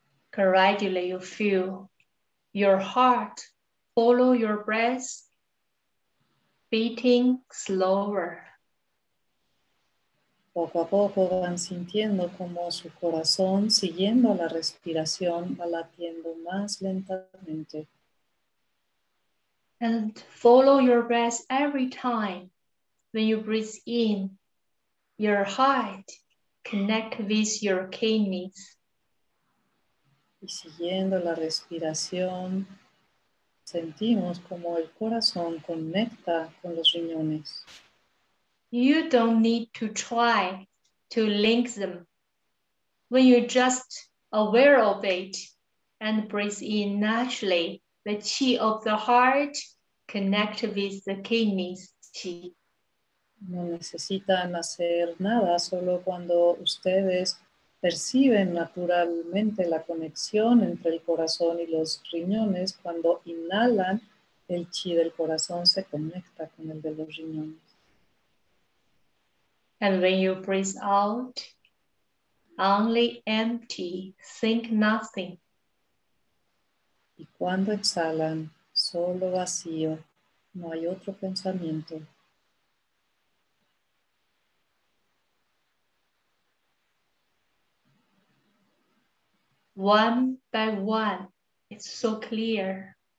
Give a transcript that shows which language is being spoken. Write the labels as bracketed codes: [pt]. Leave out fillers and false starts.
[en] Gradually you feel your heart follow your breath, beating slower. [es] Poco a poco van sintiendo como su corazón, siguiendo la respiración, va latiendo más lentamente. [en] And follow your breath every time. When you breathe in, your heart connect with your kidneys. [es] Y siguiendo la respiración, sentimos como el corazón conecta con los riñones. [en] You don't need to try to link them. When you're just aware of it and breathe in naturally, the chi of the heart connect with the kidneys, qi. [es] No necesitan hacer nada, solo cuando ustedes perciben naturalmente la conexión entre el corazón y los riñones, cuando inhalan, el chi del corazón se conecta con el de los riñones. [en] And when you breathe out, only empty, think nothing. [es] Y cuando exhalan, solo vacío, no hay otro pensamiento. [en] One by one, it's so clear.